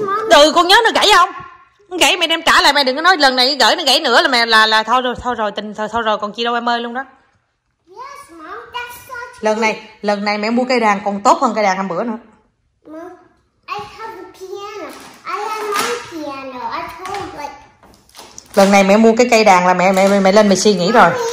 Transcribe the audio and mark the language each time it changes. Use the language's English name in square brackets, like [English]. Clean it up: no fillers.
[Vietnamese] Từ con nhớ nó gãy không? Nó gãy mẹ đem trả lại, mẹ đừng có nói lần này gửi nó gãy nữa là mẹ là thôi rồi tình thôi rồi còn chi đâu em ơi luôn đó. [English] Yes, Mom, [Vietnamese] lần này mẹ mua cây đàn còn tốt hơn cây đàn hôm bữa nữa. [English] Mom, I have a piano. I have my piano. I told like. [Vietnamese] Lần này mẹ mua cái cây đàn là mẹ lên mẹ suy nghĩ rồi.